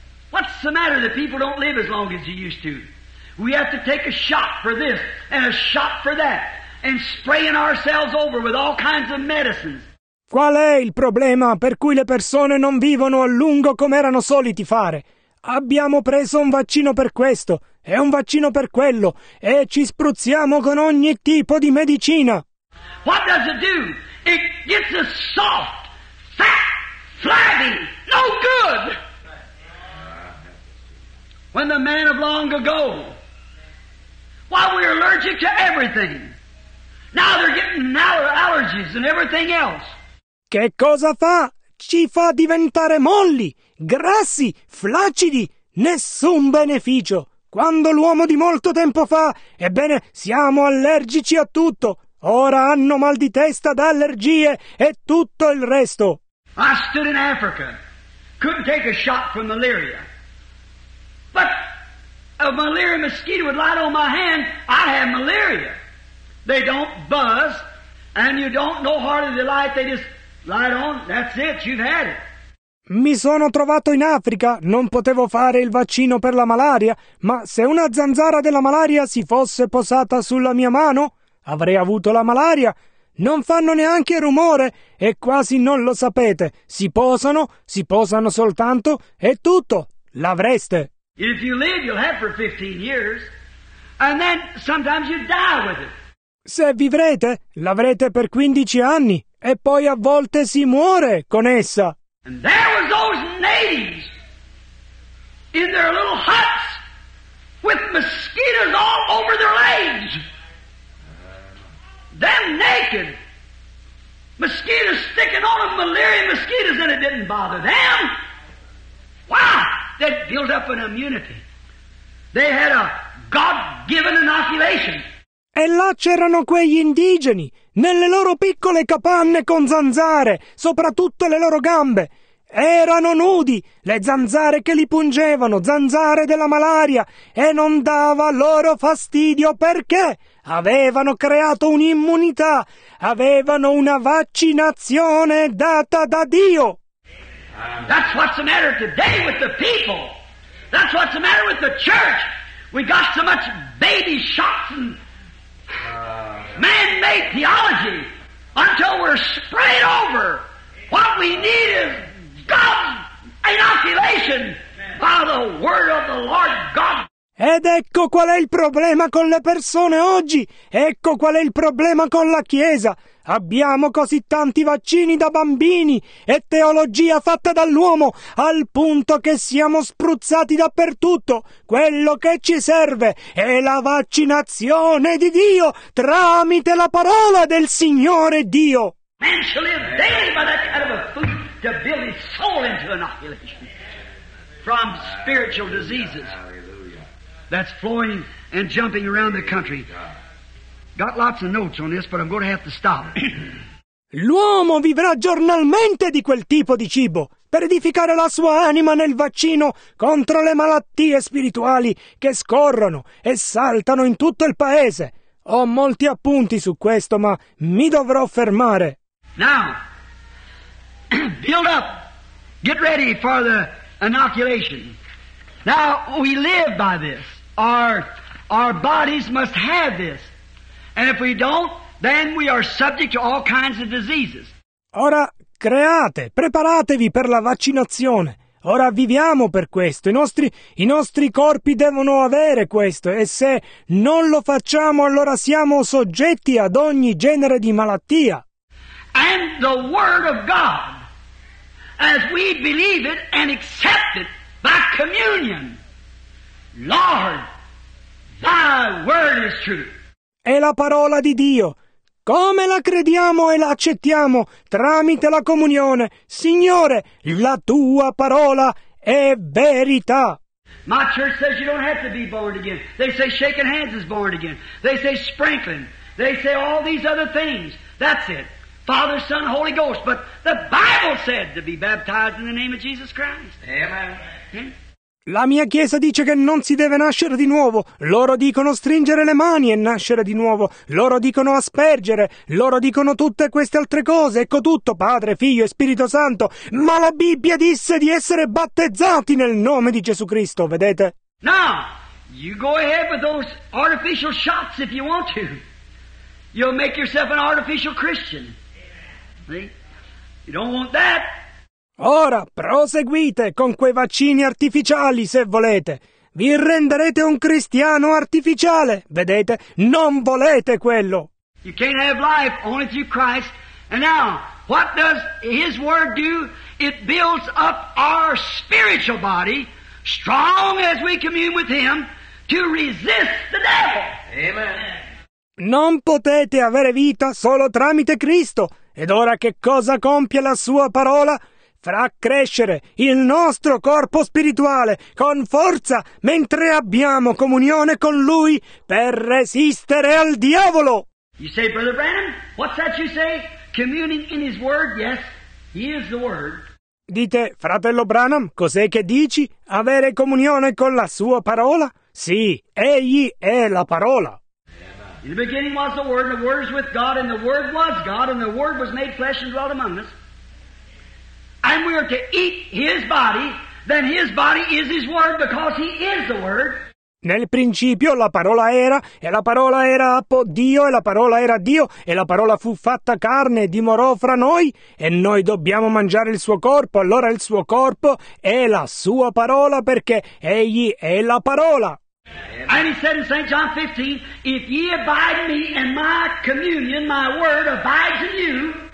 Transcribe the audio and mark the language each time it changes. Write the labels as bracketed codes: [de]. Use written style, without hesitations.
[en] What's the matter that people don't live as long as you used to? We have to take a shot for this and a shot for that and spraying ourselves over with all kinds of medicines. [it] Qual è il problema per cui le persone non vivono a lungo come erano soliti fare? Abbiamo preso un vaccino per questo e un vaccino per quello e ci spruzziamo con ogni tipo di medicina. [en] What does it do? It gets us soft, fat, flabby, no good. When the man of long ago, while we were allergic to everything, now they're getting allergies and everything else. [it] Che cosa fa? Ci fa diventare molli, grassi, flaccidi, nessun beneficio. Quando l'uomo di molto tempo fa, ebbene, siamo allergici a tutto. Ora hanno mal di testa da allergie e tutto il resto. [en] I stood in Africa, couldn't take a shot for malaria. But a malaria mosquito would light on my hand, I have malaria. They don't buzz, and you don't know hardly the light, they just light on, that's it, you've had it. [it] Mi sono trovato in Africa, non potevo fare il vaccino per la malaria, ma se una zanzara della malaria si fosse posata sulla mia mano, avrei avuto la malaria. Non fanno neanche rumore e quasi non lo sapete. Si posano soltanto e tutto, l'avreste. [en] If you live, you'll have for 15 years, and then sometimes you die with it. [it] Se vivrete, l'avrete per 15 anni e poi a volte si muore con essa. [en] And there was those natives in their little huts with mosquitoes all over their legs. Them naked. Mosquitoes sticking on them, malaria mosquitoes, and it didn't bother them. Why? They'd built up an immunity. They had a God-given inoculation. [it] E là c'erano quegli indigeni, nelle loro piccole capanne con zanzare, soprattutto le loro gambe. Erano nudi, le zanzare che li pungevano, zanzare della malaria, e non dava loro fastidio perché avevano creato un'immunità, avevano una vaccinazione data da Dio. [en] That's what's the matter today with the people. That's what's the matter with the church. We got so much baby shots and man-made theology until we're sprayed over. What we need is God's inoculation by the word of the Lord God. [it] Ed ecco qual è il problema con le persone oggi. Ecco qual è il problema con la Chiesa. Abbiamo così tanti vaccini da bambini e teologia fatta dall'uomo al punto che siamo spruzzati dappertutto. Quello che ci serve è la vaccinazione di Dio tramite la parola del Signore Dio. [en] Man shall live daily by that kind of a food to build his soul into inoculation from spiritual diseases that's flowing and jumping around the country. Got lots of notes on this, but I'm going to have to stop. [it] L'uomo vivrà giornalmente di quel tipo di cibo, per edificare la sua anima nel vaccino contro le malattie spirituali che scorrono e saltano in tutto il paese. Ho molti appunti su questo, ma mi dovrò fermare. [en] Now, build up. Get ready for the inoculation. Now, we live by this. Our bodies must have this. And if we don't, then we are subject to all kinds of diseases. [it] Ora, create, preparatevi per la vaccinazione. Ora viviamo per questo. I nostri corpi devono avere questo. E se non lo facciamo, allora siamo soggetti ad ogni genere di malattia. [en] And the Word of God, as we believe it and accept it by communion, Lord, thy word is true. [it] È la parola di Dio. Come la crediamo e la accettiamo tramite la comunione, Signore, la tua parola è verità. [en] My church says you don't have to be born again. They say shaking hands is born again. They say sprinkling. They say all these other things. That's it. Father, Son, Holy Ghost. But the Bible said to be baptized in the name of Jesus Christ. Amen. [it] La mia chiesa dice che non si deve nascere di nuovo. Loro dicono stringere le mani e nascere di nuovo. Loro dicono aspergere. Loro dicono tutte queste altre cose. Ecco tutto, Padre, Figlio e Spirito Santo. Ma la Bibbia disse di essere battezzati nel nome di Gesù Cristo, vedete? [en] Now, you go ahead with those artificial shots if you want to. You'll make yourself an artificial Christian. See? You don't want that. [it] Ora, proseguite con quei vaccini artificiali, se volete. Vi renderete un cristiano artificiale, vedete? Non volete quello. [en] You can't have life only through Christ. And now, what does His Word do? It builds up our spiritual body, strong as we commune with Him, to resist the devil. Amen. [it] Non potete avere vita solo tramite Cristo. Ed ora che cosa compie la Sua parola? Farà crescere il nostro corpo spirituale con forza mentre abbiamo comunione con Lui per resistere al diavolo. [en] You say, Brother Branham, what's that you say? Communing in His Word? Yes, He is the Word. [it] Dite, fratello Branham, cos'è che dici? Avere comunione con la Sua parola? Sì, Egli è la parola. [en] In the beginning was the Word, and the Word was with God, and the Word was God, and the Word was made flesh and dwelt among us. And we are to eat His body, then His body is His Word, because He is the Word. [it] Nel principio la parola era, e la parola era appo Dio, e la parola era Dio, e la parola fu fatta carne e dimorò fra noi, e noi dobbiamo mangiare il suo corpo, allora il suo corpo è la sua parola, perché Egli è la parola. [en] And He said in St. John 15, if ye abide in me and my communion, my word abides in you,